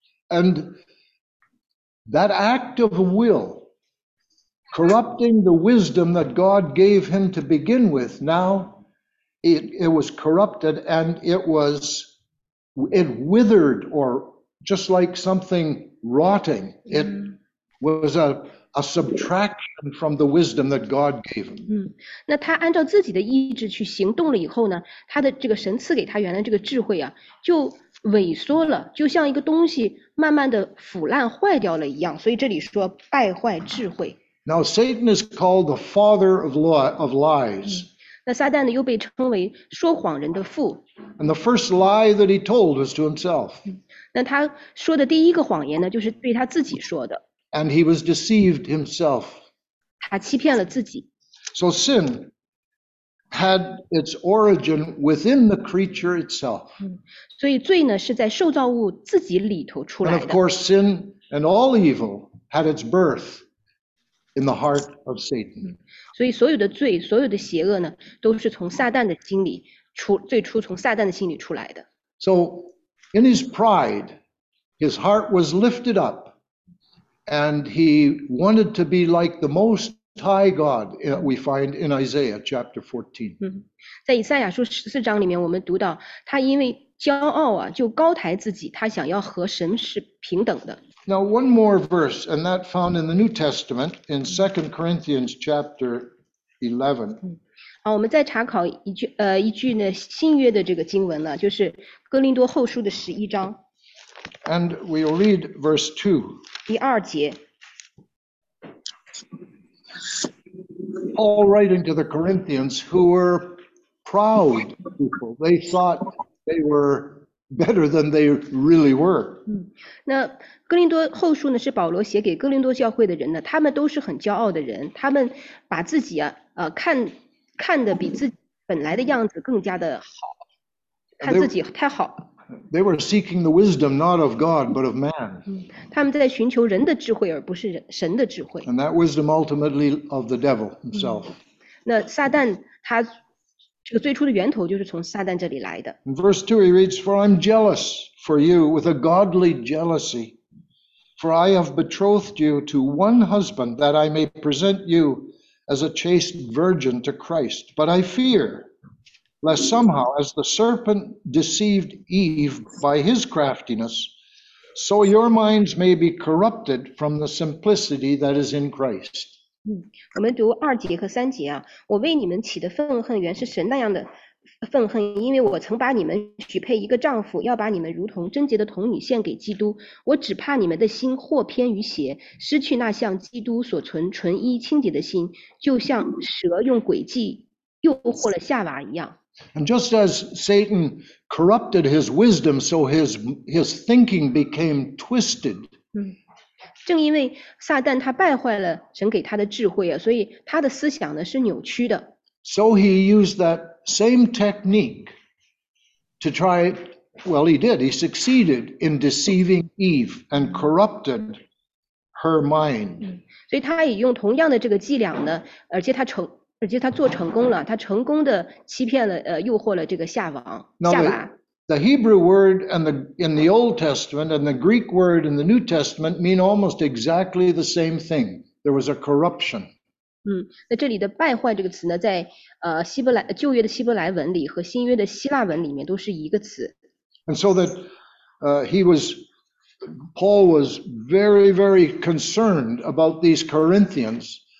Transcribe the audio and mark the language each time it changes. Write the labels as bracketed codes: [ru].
[en] And that act of will, corrupting the wisdom that God gave him to begin with, now it was corrupted and it withered, or just like something rotting. It was a subtraction from the wisdom that God gave him. [zh] 那他按照自己的意志去行动了以后呢，他的这个神赐给他原来这个智慧啊，就萎缩了，就像一个东西慢慢的腐烂坏掉了一样。所以这里说败坏智慧。 [en] Now Satan is called the father of lies. [zh] 那撒旦呢，又被称为说谎人的父。 [en] And the first lie that he told was to himself. [zh] 那他说的第一个谎言呢，就是对他自己说的。 [en] And he was deceived himself. [zh] 他欺骗了自己。 [en] So sin had its origin within the creature itself. [zh] 所以罪呢，是在受造物自己里头出来的。 [en] And of course, sin and all evil had its birth in the heart of Satan. [zh] 所以所有的罪，所有的邪恶呢，都是从撒旦的心里出，最初从撒旦的心里出来的。 [en] So in his pride, his heart was lifted up. And he wanted to be like the Most High God, we find in Isaiah chapter 14. [zh] 在以赛亚书14章里面，我们读到他因为骄傲啊，就高抬自己，他想要和神是平等的。 [en] Now one more verse, and that found in the New Testament in 2 Corinthians chapter 11. [zh] 好，我们再查考一句呢新约的这个经文了，就是哥林多后书的11章。 [en] And we will read verse 2. [zh] 第二节 [en] Paul writing to the Corinthians, who were proud people. They thought they were better than they really were. [zh] 那哥林多后书呢，是保罗写给哥林多教会的人呢，他们都是很骄傲的人，他们把自己啊，看得比自己本来的样子更加的好，看自己太好了。 [en] They were seeking the wisdom not of God but of man. [zh] 他们在寻求人的智慧，而不是神的智慧。 [en] And that wisdom ultimately of the devil himself. [zh] 那撒旦他这个最初的源头就是从撒旦这里来的。 [en] In verse 2 he reads, "For I'm jealous for you with a godly jealousy, for I have betrothed you to one husband that I may present you as a chaste virgin to Christ. But I fear." Lest somehow, as the serpent deceived Eve by his craftiness, so your minds may be corrupted from the simplicity that is in Christ. [zh] 我们读二节和三节啊，我为你们起的愤恨原是神那样的愤恨，因为我曾把你们许配一个丈夫，要把你们如同贞洁的童女献给基督。我只怕你们的心或偏于邪，失去那像基督所存纯一清洁的心，就像蛇用诡计。诱惑了夏娃一样。 [en] And just as Satan corrupted his wisdom, so his thinking became twisted. [zh] 正因为撒旦他败坏了神给他的智慧啊，所以他的思想呢是扭曲的。 [en] So he used that same technique to try. Well, he did. He succeeded in deceiving Eve and corrupted her mind. [zh] 所以他也用同样的这个伎俩呢，而且他做成功了，他成功的欺骗了，诱惑了这个夏王夏娃。 [en] The Hebrew word and in the Old Testament and the Greek word in the New Testament mean almost exactly the same thing. There was a corruption. [zh] 那这里的败坏这个词呢，在旧约的希伯来文里和新约的希腊文里面都是一个词。 [en] And so that Paul was very, very concerned about these Corinthians.